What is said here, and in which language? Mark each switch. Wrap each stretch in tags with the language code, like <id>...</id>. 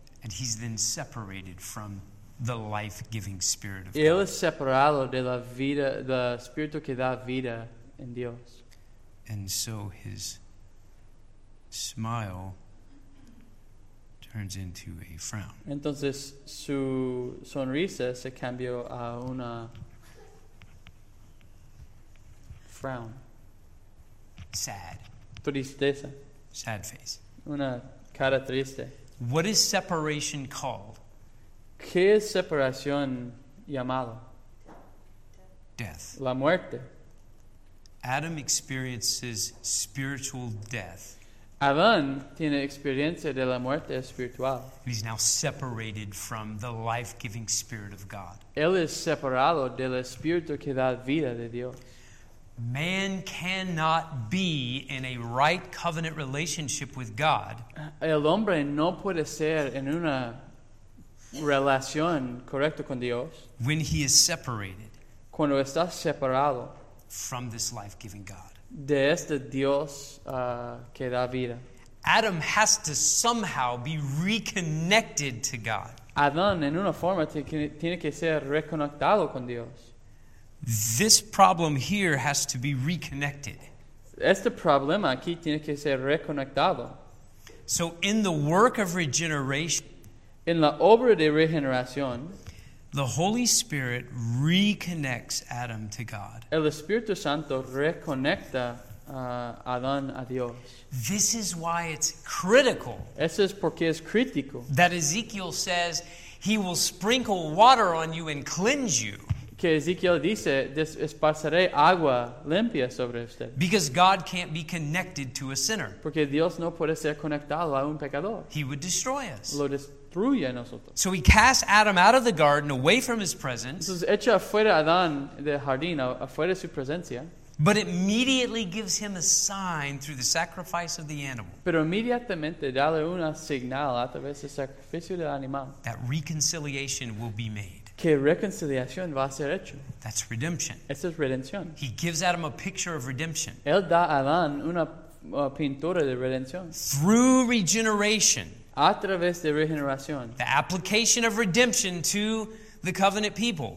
<en>And he's then separated from the life-giving Spirit of</en> <es>él</es> <en>God.</en> <es>Él es separado de la vida, del Espíritu que da vida en Dios.</es> <en>And so his smile turns into a frown.</en> <es>Entonces su sonrisa se cambió a una frown.</es> <en>Sad.</en> <es>Tristeza.</es> <en>Sad face.</en> <es>Una cara triste.</es> <en>What is separation called?</en> <es>¿Qué es separación llamado?</es> <en>Death.</en> <es>La muerte.</es> <en>Adam experiences spiritual death.</en> <es>Adán tiene experiencia de la muerte espiritual.</es> <en>He's now separated from the life-giving Spirit of God.</en> <es>Él es separado del Espíritu que da vida de Dios.</es> <en>Man cannot be in a right covenant relationship with God.</en> <es>El hombre no puede ser en una relación correcta con Dios.</es> <en>When he is separated.</en> <es>Cuando está separado.</es> <en>From this life-giving God.</en> <es>De este Dios que da vida.</es> <en>Adam has to somehow be reconnected to God.</en> <es>Adán en una forma tiene que ser reconectado con Dios.</es> <en>This problem here has to be reconnected.</en> <es>Este problema aquí tiene que ser reconectado.</es> <en>So in the work of regeneration.</en> <es>En la obra de regeneración.</es> <en>The Holy Spirit reconnects Adam to God.</en> <es>El Espíritu Santo reconecta Adán a Dios.</es> <en>This is why it's critical.</en> <es>Eso es porque es crítico.</es> <en>That Ezekiel says he will sprinkle water on you and cleanse you.</en> <es>Que Ezekiel dice, esparceré agua limpia sobre usted.</es> <en>Because God can't be connected to a sinner.</en> <es>Porque Dios no puede ser conectado a un pecador.</es> <en>He would destroy us. So he casts Adam out of the garden, away from his presence.</en> <es>Entonces echa afuera a Adán del jardín, afuera de su presencia.</es> <en>But immediately gives him a sign through the sacrifice of the animal.</en> <es>Pero inmediatamente dale una señal a través del sacrificio del animal.</es> <en>That reconciliation will be made.</en> <es>Que reconciliación va a ser hecho.</es> <en>That's redemption.</en> <es>Eso es redención.</es> <en>He gives Adam a picture of redemption.</en> <es>Él da a Adán una pintura de redención.</es> <en>Through regeneration.</en> <es>A través de regeneración.</es> <en>The application of redemption to the covenant people.</en>